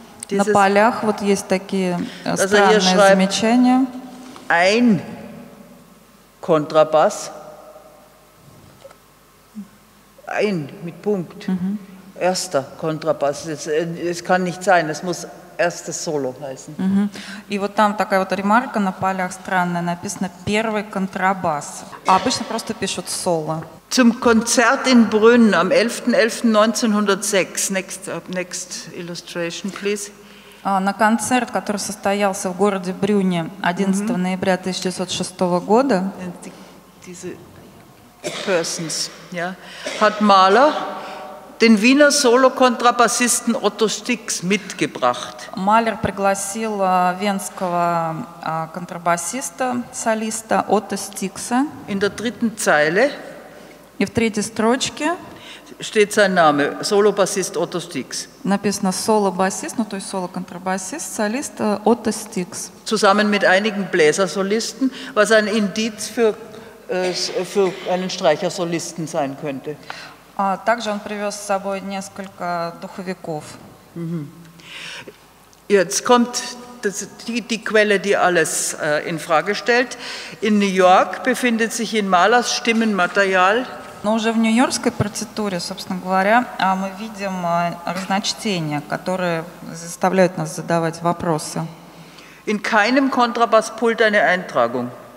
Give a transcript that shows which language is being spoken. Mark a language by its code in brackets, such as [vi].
[ru] На полях вот есть такие странные замечания. [de] Ein Kontrabass, ein mit Punkt, erster Kontrabass, es kann nicht sein, es muss erstes Solo heißen. Mhm. [ru] И вот там такая вот ремарка на полях странная, написано первый контрабас. А обычно просто пишут соло. [de] Zum Konzert in Brünn am 11.11.1906. [en] Next illustration, please. [ru] На концерт, который состоялся в городе Брюне 11 ноября 1906 года. [de] Diese persons, ja, hat Mahler den Wiener Solo-Kontrabassisten Otto Stix mitgebracht. [ru] Mahler пригласил венского контрабасиста, солиста Otto Stix. [de] In der dritten Zeile. [ru] И в третьей строчке [de] steht sein Name, Solo-Bassist Otto Stix. [ru] Написано Solo-Bassist, ну то есть Solo-Kontrabassist, солист Otto Stix. [de] Zusammen mit einigen Bläsersolisten, was ein Indiz für einen Streichersolisten sein könnte. [ru] Также он привез с собой несколько духовиков. Mm-hmm. [de] Jetzt kommt das, die Quelle, die alles in Frage stellt. In New York befindet sich in Mahlers Stimmenmaterial. [ru] Но уже в нью-йоркской партитуре, собственно говоря, мы видим разночтения, которые заставляют нас задавать вопросы. [de] In keinem Kontrabasspult eine Eintragung.